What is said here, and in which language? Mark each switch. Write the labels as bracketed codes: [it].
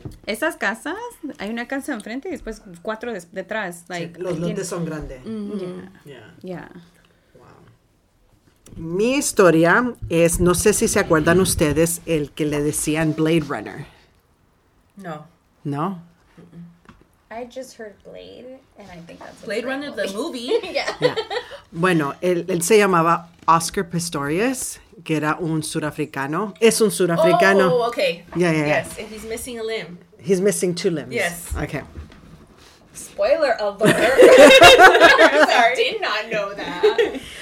[es] Esas casas, hay una casa enfrente y después cuatro detrás. [en] Like, [es] sí, los lotes son grandes. Mm-hmm. [en] Yeah. Yeah. [es] Mi historia es, no sé si se acuerdan ustedes, el que le decían Blade Runner. No. No? [en] Mm-mm. I just heard Blade, and I think that's Blade Runner, the movie. Yeah. [es] Bueno, él se llamaba Oscar Pistorius, que era un surafricano. Es un surafricano. [en] Oh, okay. Yeah. Yes, and he's missing a limb. He's missing two limbs. Yes. Okay. Spoiler alert. Sorry. I did not know that.